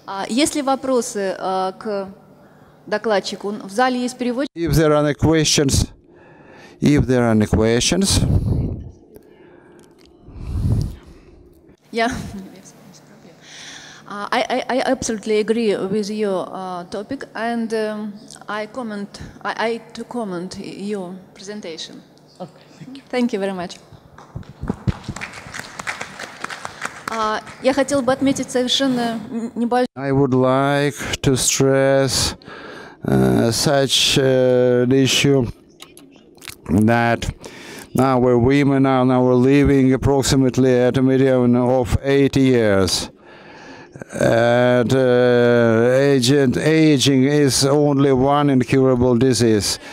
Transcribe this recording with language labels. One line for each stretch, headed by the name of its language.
Russian: Есть ли вопросы к докладчику? В зале есть переводчик?
English: If there are any questions, if there are any questions. Yeah. I absolutely agree with your topic, and I comment your presentation. Okay. Thank you. Thank you very much.
Russian: Я хотел бы отметить совершенно небольшой.
English: I would like to stress such an issue that our women are now living approximately at a median of 80 years. And aging is only one incurable disease.